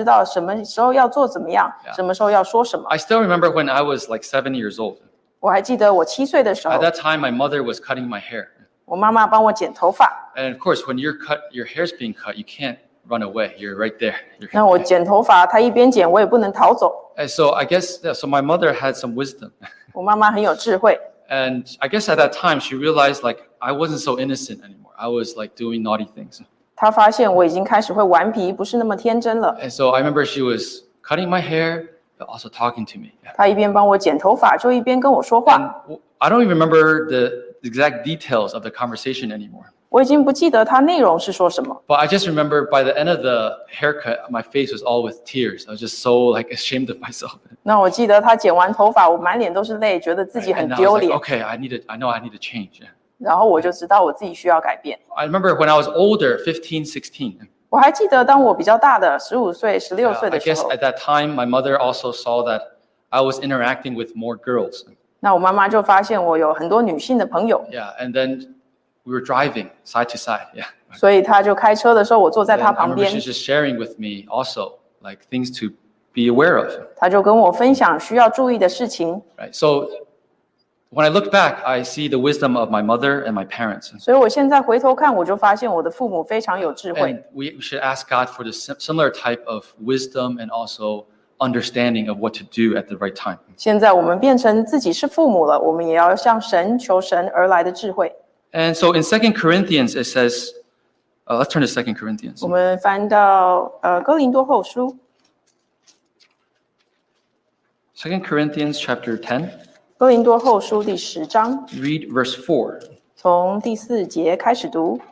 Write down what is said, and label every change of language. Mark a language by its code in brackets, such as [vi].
[zh] 我们需要神而来的智慧，我们才知道什么时候要做怎么样，什么时候要说什么。 [en] I still remember when I was like 7 years old. [zh] 我还记得我七岁的时候。 [en] At that time, my mother was cutting my hair. [zh] 我妈妈帮我剪头发。 [en] And of course, when you're cut, your hair's being cut, you can't run away. You're right there. [zh] 那我剪头发，她一边剪，我也不能逃走。 [en] And so I guess, yeah, so my mother had some wisdom. [zh] 我妈妈很有智慧。 [en] And I guess at that time, she realized like I wasn't so innocent anymore. I was like doing naughty things. [zh] 她发现我已经开始会顽皮，不是那么天真了。 [en] And so I remember she was cutting my hair, but also talking to me. [zh] 她一边帮我剪头发，就一边跟我说话。 [en] I don't even remember the exact details of the conversation anymore. [zh] 我已经不记得她内容是说什么。 [en] But I just remember by the end of the haircut, my face was all with tears. I was just so like ashamed of myself. [zh] 那我记得她剪完头发，我满脸都是泪，觉得自己很丢脸。 [en] Okay, I know I need to change. [zh] 然后我就知道我自己需要改变。 [en] I remember when I was older, 15, 16. [zh] 我还记得当我比较大的15岁、16岁的时候。 [en] I guess at that time, my mother also saw that I was interacting with more girls. [zh] 那我妈妈就发现我有很多女性的朋友。 [en] Yeah, and then we were driving side to side. Yeah. [zh] 所以她就开车的时候，我坐在她旁边。 [en] And I remember she's just sharing with me also, like things to be aware of. [zh] 她就跟我分享需要注意的事情。 [en] Right. So when I look back, I see the wisdom of my mother and my parents. [zh] 所以我现在回头看，我就发现我的父母非常有智慧。 [en] We should ask God for the similar type of wisdom and also understanding of what to do at the right time. [zh] 现在我们变成自己是父母了，我们也要向神求神而来的智慧。 [en] And so in 2 Corinthians, it says, let's turn to 2 Corinthians. [zh] 我们翻到哥林多后书。 [en] 2 Corinthians chapter 10. [zh] 哥林多后书第十章, [en] read verse 4. [zh] 从第四节开始读,